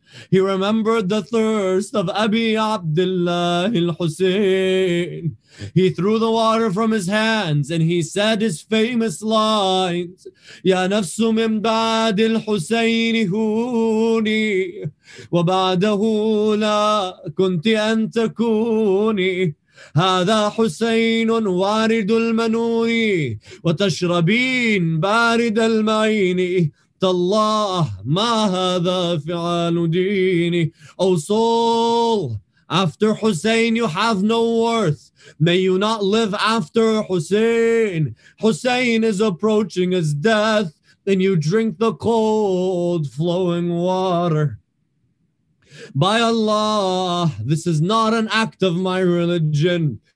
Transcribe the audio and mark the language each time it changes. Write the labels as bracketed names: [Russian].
[English] He remembered the thirst of Abi Abdullah al-Hussein. He threw the water from his hands and he said his famous lines, Ya nafsu min ba'd al-Hussein huni wa ba'dahu la kunti antakuni. [Arabic] هذا حسين وارد المنون وتشربين بارد المعين تالله ما هذا فعل ديني. [English] O soul, after Hussein you have no worth. May you not live after Hussein. Hussein is approaching his death and you drink the cold flowing water. By Allah, this is not an act of my religion.